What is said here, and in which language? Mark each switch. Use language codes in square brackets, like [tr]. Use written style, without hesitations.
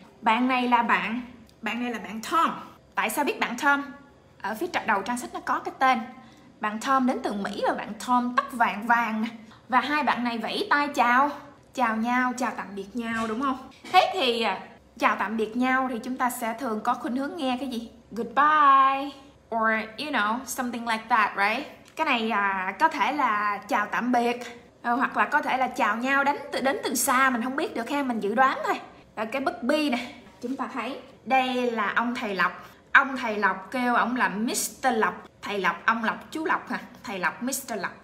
[vi] Bạn này là bạn, bạn này là bạn Tom. Tại sao biết bạn Tom? Ở phía đầu trang sách nó có cái tên. Bạn Tom đến từ Mỹ và bạn Tom tóc vàng vàng nè. Và hai bạn này vẫy tay chào. Chào nhau, chào tạm biệt nhau, đúng không? Thế thì chào tạm biệt nhau thì chúng ta sẽ thường có khuynh hướng nghe cái gì? [en] Goodbye. Or, you know, something like that, right? [vi] Cái này có thể là chào tạm biệt. Hoặc là có thể là chào nhau đến từ xa. Mình không biết được ha, mình dự đoán thôi. Và cái bức B nè. Chúng ta thấy đây là ông thầy Lộc. Ông thầy Lộc kêu ông là Mr. Lộc. Thầy Lộc, ông Lộc, chú Lộc hả? Thầy Lộc, Mr. Lộc.